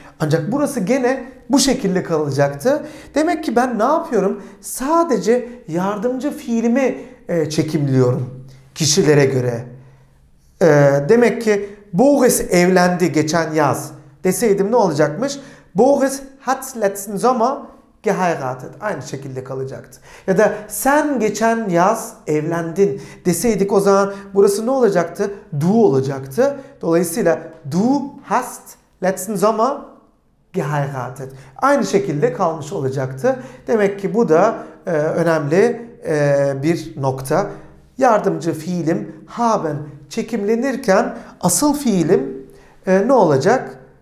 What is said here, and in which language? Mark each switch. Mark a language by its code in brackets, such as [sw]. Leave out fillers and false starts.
[tr] Ancak burası gene bu şekilde kalacaktı. Demek ki ben ne yapıyorum? Sadece yardımcı fiilimi çekimliyorum kişilere göre. Demek ki Boris evlendi geçen yaz deseydim ne olacakmış? [de] Boris hat letzten Sommer geheiratet. [tr] Aynı şekilde kalacaktı. Ya da sen geçen yaz evlendin deseydik o zaman burası ne olacaktı? Du olacaktı. Dolayısıyla [de] du hast letzten Sommer geheiratet. [tr] Aynı şekilde kalmış olacaktı. Demek ki bu da önemli bir nokta. Yardımcı fiilim haben çekimlenirken asıl fiilim ne olacak?